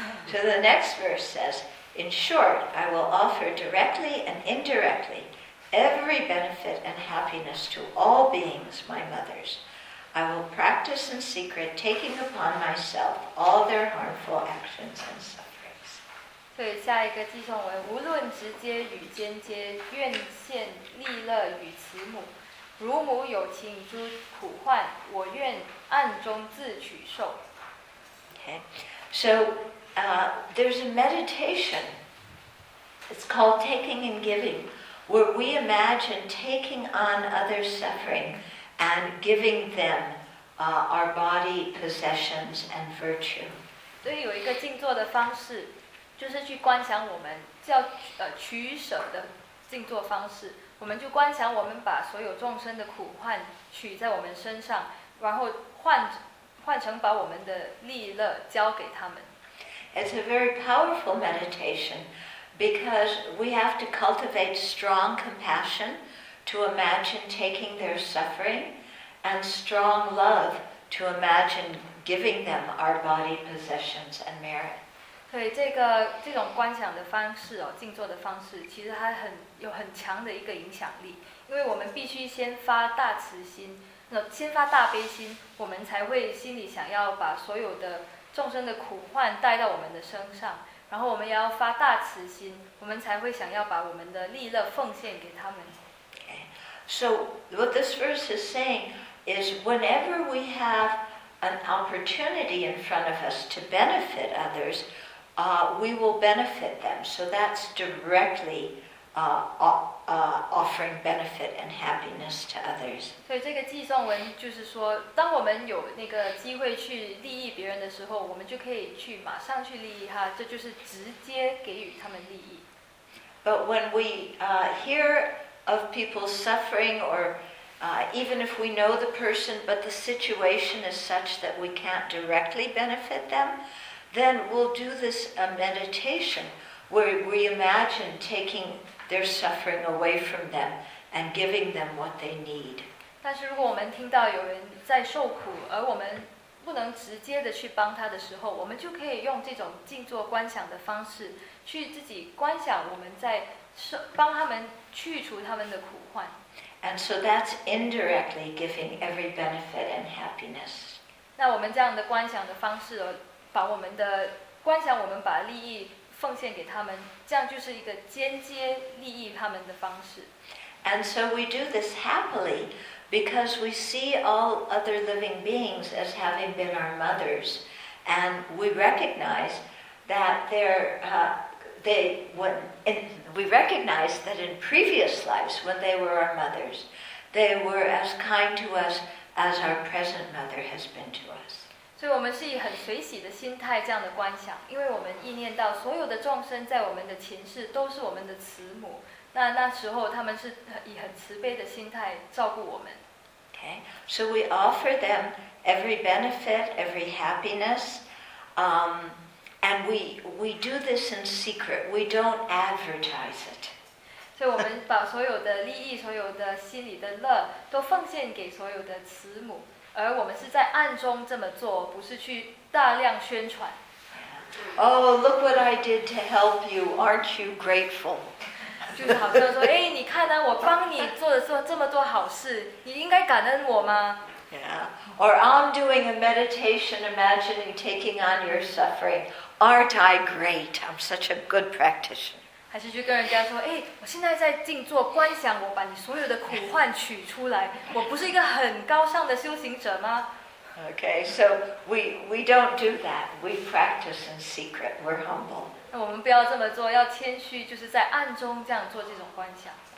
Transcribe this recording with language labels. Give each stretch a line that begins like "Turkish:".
English: So the next verse says, In short, I will offer directly and indirectly,Every benefit and happiness to all beings, my mothers. I will practice in secret, taking upon myself all their harmful actions and sufferings.
Chinese: 所以下一个寄送文，无论直接与间接，愿现利乐与慈母。如母有情诸苦患，我愿暗中自取受。
English: Okay, so there's a meditation. It's called taking and giving. Where we imagine taking on others' suffering and giving them our body, possessions, and virtue.
Chinese: 所以有一个静坐的方式，就是去观想我们叫取舍的静坐方式，我们就观想我们把所有众生的苦患取在我们身上，然后换成把我们的利乐交给他们。
English: It's a very powerful meditation because we have to cultivate strong compassion to imagine taking their suffering and strong love to imagine giving them our body possessions and merit.
Chinese: 对，这种观想的方式哦，静坐的方式，其实它有很强的一个影响力，因为我们必须先发大慈心，先发大悲心，我们才会心里想要把所有的众生的苦患带到我们的身上，然后我们也要发大慈心，我们才会想要把我们的利乐奉献给他们。
English: So what this verse is saying is whenever we have an opportunity in front of us to benefit others, we will benefit them. So that's directly offering benefit and happiness to others.
Chinese: 所以这个寄送文就是说，当我们有那个机会去利益别人的时候，我们就可以去马上去利益他，这就是直接给予他们利益。
English: But when we hear of people suffering, or even if we know the person, but the situation is such that we can't directly benefit them, then we'll do this meditation where we imagine taking their suffering away from them and giving them what they need.
Chinese: 但是如果我们听到有人在受苦，而我们不能直接的去帮他的时候，我们就可以用这种静坐观想的方式去自己观想我们在帮他们去除他们的苦患。
English: And so that's indirectly giving every benefit and happiness.
Chinese: 那我们这样的观想的方式，把我们的观想，我们把利益奉献给他们，这样就是一个间接利益他们的方式。
English: And so we do this happily because we see all other living beings as having been our mothers, and we recognize that we recognize that in previous lives when they were our mothers, they were as kind to us as our present mother has been to us.
Chinese: 所以我们是以很随喜的心态这样的观想，因为我们意念到所有的众生在我们的前世都是我们的慈母，那时候他们是以很慈悲的心态照顾我们。
English: Okay, so we offer them every benefit, every happiness, and we do this in secret. We don't advertise it.
Chinese: 所以我们把所有的利益、所有的心里的乐都奉献给所有的慈母，而我们是在暗中这么做，不是去大量宣传。
English: Oh, look what I did to help you. Aren't you grateful?
Chinese: 就好像说，哎，你看啊，我帮你做的这么多好事，你应该感恩我吗？
English: Yeah. Or I'm doing a meditation, imagining taking on your suffering. Aren't I great? I'm such a good practitioner.
Chinese: 还是去跟人家说，哎，我现在在静坐观想，我把你所有的苦患取出来，我不是一个很高尚的修行者吗？
English: Okay, so we don't do that. We practice in secret. We're humble.
Chinese: 那我们不要这么做，要谦虚，就是在暗中这样做这种观想。